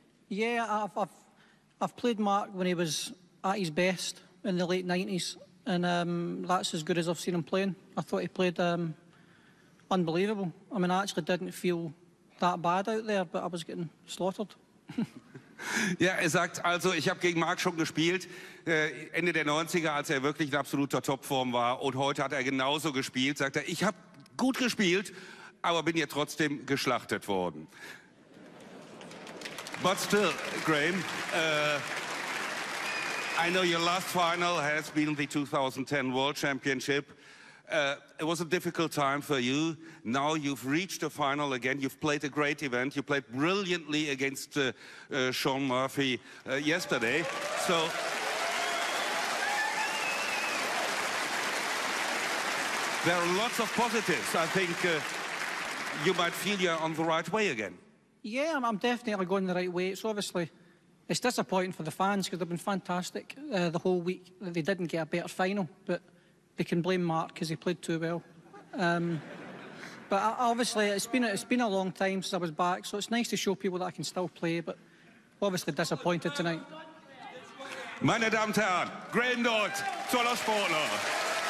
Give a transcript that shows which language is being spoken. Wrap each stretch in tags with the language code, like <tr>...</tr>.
<en>Yeah, I've played Mark when he was at his best in the late 90s, and that's as good as I've seen him playing. I thought he played unbelievable. I mean, I actually didn't feel that bad out there, but I was getting slaughtered.</en> <de>Ja, er sagt, also ich habe gegen Mark schon gespielt, Ende der 90er, als er wirklich in absoluter Topform war. Und heute hat er genauso gespielt, sagt er, ich habe gut gespielt, aber bin ja trotzdem geschlachtet worden.</de> <en>But still, Graeme, I know your last final has been the 2010 World Championship. It was a difficult time for you. Now you've reached a final again. You've played a great event. You played brilliantly against Sean Murphy yesterday. So, there are lots of positives. I think you might feel you're on the right way again. Yeah, I'm definitely going the right way. It's obviously, it's disappointing for the fans because they've been fantastic the whole week. They didn't get a better final, but they can blame Mark because he played too well. But obviously, it's been a long time since I was back, so it's nice to show people that I can still play, but obviously disappointed tonight.</en> <de>Meine Damen und Herren, Graeme Dott, toller Sportler.</de>